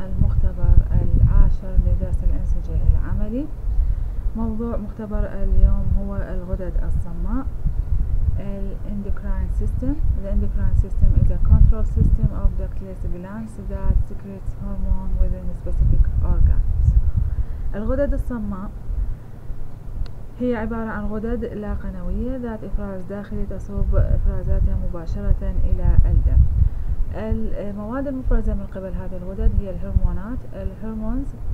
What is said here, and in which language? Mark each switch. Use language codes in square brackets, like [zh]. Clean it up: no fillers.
[ar] المختبر العاشر لدرس الأنسجة العملي. موضوع مختبر اليوم هو الغدد الصماء. [en] The endocrine system is a control system of the clitoris glands that secretes hormone within specific organs. [ar] الغدد الصماء هي عبارة عن غدد لا قنوية ذات إفراز داخلي تصب إفرازاتها مباشرة إلى الدم. المواد المفرزة من قبل هذه الغدد هي الهرمونات.